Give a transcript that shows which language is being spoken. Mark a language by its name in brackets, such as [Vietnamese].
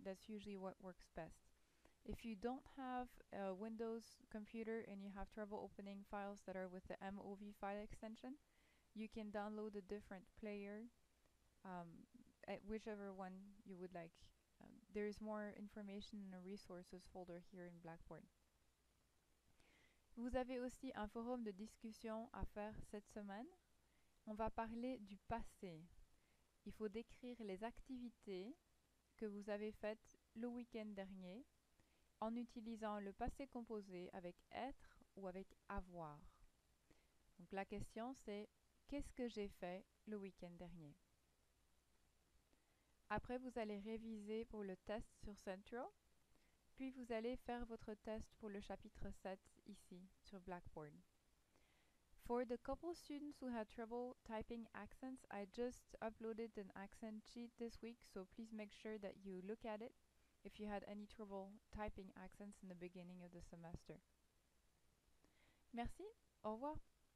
[English] That's usually what works best. If you don't have a Windows computer and you have trouble opening files that are with the MOV file extension, you can download a different player, at whichever one you would like. There is more information in the resources folder here in Blackboard. [French] Vous avez aussi un forum de discussion à faire cette semaine. On va parler du passé. Il faut décrire les activités que vous avez faites le week-end dernier en utilisant le passé composé avec être ou avec avoir. Donc la question c'est qu'est-ce que j'ai fait le week-end dernier? Après vous allez réviser pour le test sur Centro. Puis vous allez faire votre test pour le chapitre 7 ici sur Blackboard. [English] For the couple students who had trouble typing accents, I just uploaded an accent sheet this week, so please make sure that you look at it if you had any trouble typing accents in the beginning of the semester. [French] Merci, au revoir.